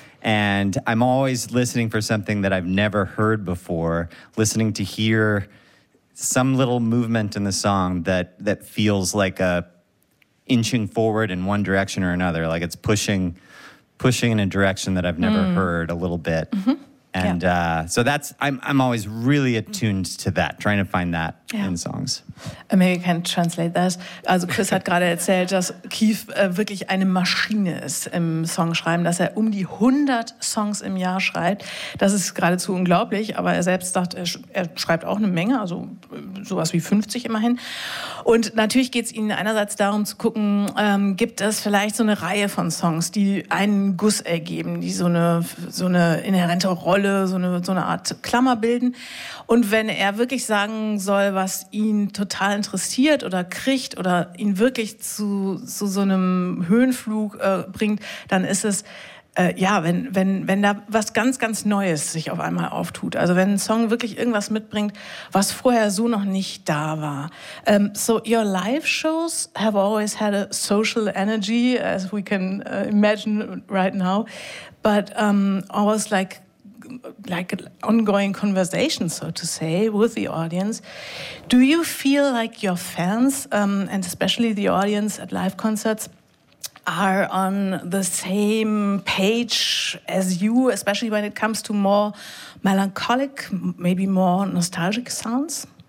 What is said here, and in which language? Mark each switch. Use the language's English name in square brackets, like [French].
[English] And I'm always listening for something that I've never heard before, listening to hear some little movement in the song that feels like a inching forward in one direction or another, like it's pushing in a direction that I've never heard a little bit. Mm-hmm. And so that's, I'm always really attuned to that, trying to find that in songs. And maybe you can translate that. [German] Also Chris hat gerade erzählt, dass Keith wirklich eine Maschine ist im Songschreiben, dass er um die 100 Songs im Jahr schreibt. Das ist geradezu unglaublich, aber er selbst sagt, er schreibt auch eine Menge, also sowas wie 50 immerhin. Und natürlich geht es ihnen einerseits darum zu gucken, gibt es vielleicht so eine Reihe von Songs, die einen Guss ergeben, die so eine inhärente Rolle, so eine Art Klammer bilden. Und wenn er wirklich sagen soll, was ihn total interessiert oder kriegt oder ihn wirklich zu so einem Höhenflug bringt, dann ist es, wenn da was ganz, ganz Neues sich auf einmal auftut. Also wenn ein Song wirklich irgendwas mitbringt, was vorher so noch nicht da war. [English] So your live shows have always had a social energy, as we can imagine right now, but always like an ongoing conversation, so to say, with the audience. Do you feel like your fans, and especially the audience at live concerts, are on the same page as you, especially when it comes to more melancholic, maybe more nostalgic sounds?